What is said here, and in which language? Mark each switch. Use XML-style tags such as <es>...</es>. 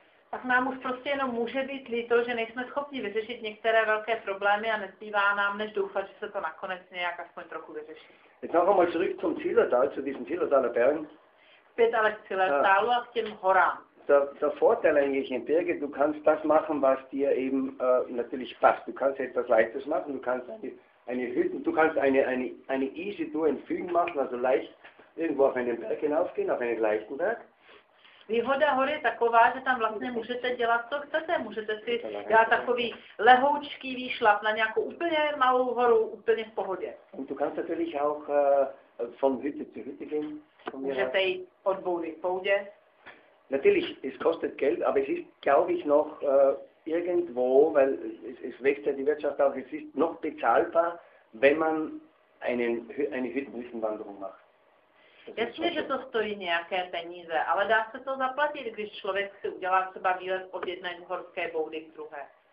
<cs>Tak nám už prostě jenom může být líto, že nejsme schopni vyřešit některé velké problémy a nezbývá nám, než doufat, že se to nakonec nějak aspoň trochu vyřeší.</cs> <de>Jetzt noch einmal zurück zum Zillertal, zu diesen Zillertaler Bergen.</de> <cs>Zpět ale k Zillertalu a k těm horám.</cs> <de>Der Vorteil eigentlich in Berge, du kannst das machen, was dir eben natürlich passt. Du kannst etwas Leichtes machen, du kannst eine Hütte, du kannst eine easy tour in Fügen machen, also leicht irgendwo auf einen Berg hinaufgehen, auf einen leichten Berg.</de> <cs>Výhoda hory je taková, že tam vlastně můžete dělat, co chcete. Můžete si dělat takový lehoučký výšlap na nějakou úplně malou horu, úplně v pohodě.</cs> <de>Und du kannst natürlich auch von Hütte zu Hütte gehen.</de> <cs>Můžete jít od boudy k boudě.</cs> <de>Natürlich, es kostet Geld, aber es ist, glaube ich, noch irgendwo, weil es wächst ja die Wirtschaft auch, es ist noch bezahlbar, wenn man eine Hüttenwüstenwanderung macht.</de> <cs>Jasně, že to stojí nějaké peníze, ale dá se to zaplatit, když člověk si udělá třeba výlet od jedné horské boudy k druhé.</cs>